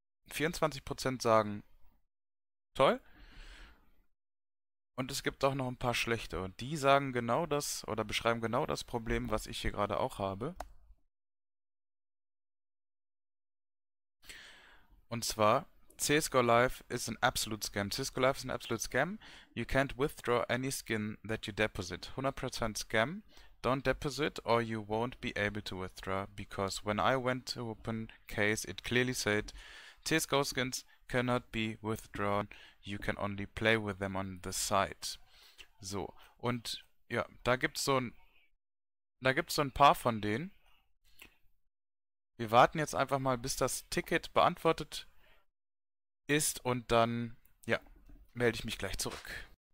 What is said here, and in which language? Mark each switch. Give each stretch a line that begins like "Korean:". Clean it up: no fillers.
German: 24% sagen toll. Und es gibt auch noch ein paar schlechte. Und die sagen genau das oder beschreiben genau das Problem, was ich hier gerade auch habe. Und zwar...
English: CSGO Live is an absolute scam. CSGO Live is an absolute scam. You can't withdraw any skin that you deposit. 100% scam. Don't deposit or you won't be able to withdraw. Because when I went to open case, it clearly said CSGO skins cannot be withdrawn. You can only play with them on the side.
German: So, und ja, da gibt's so ein paar von denen. Wir warten jetzt einfach mal, bis das Ticket beantwortet ist und dann, ja, melde ich mich gleich zurück.